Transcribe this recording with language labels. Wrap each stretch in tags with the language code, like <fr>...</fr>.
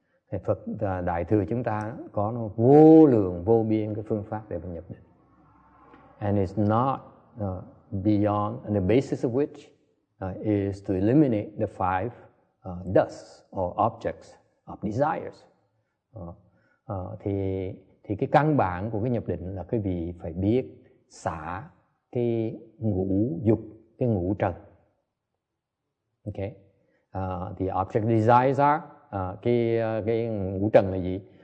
<vi>Thì Phật đại thừa chúng ta có nó vô lượng vô biên cái phương pháp để mà nhập định.</vi> <en>And it's not beyond, and the basis of which is to eliminate the five dusts or objects of desires.</en> <vi>Thì cái căn bản của cái nhập định là quý vị phải biết xả cái ngũ dục, cái ngũ trần. Okay.</vi> <en>The object desires are</en> <vi>cái ngũ trần là gì?</vi>